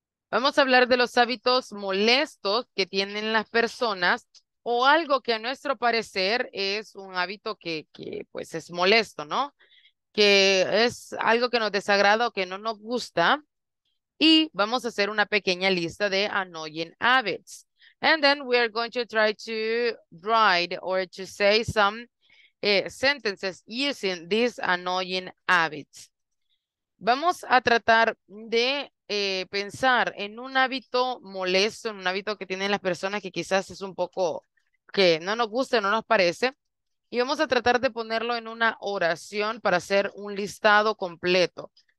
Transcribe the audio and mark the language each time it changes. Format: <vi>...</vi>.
<es>Vamos a hablar de los hábitos molestos que tienen las personas o algo que a nuestro parecer es un hábito que pues es molesto, ¿no? Que es algo que nos desagrada o que no nos gusta. Y vamos a hacer una pequeña lista de</es> <en>annoying habits. And then we are going to try to write or to say some sentences using these annoying habits.</en> <es>Vamos a tratar de pensar en un hábito molesto, en un hábito que tienen las personas que quizás es un poco que no nos gusta, no nos parece. Y vamos a tratar de ponerlo en una oración para hacer un listado completo.</es>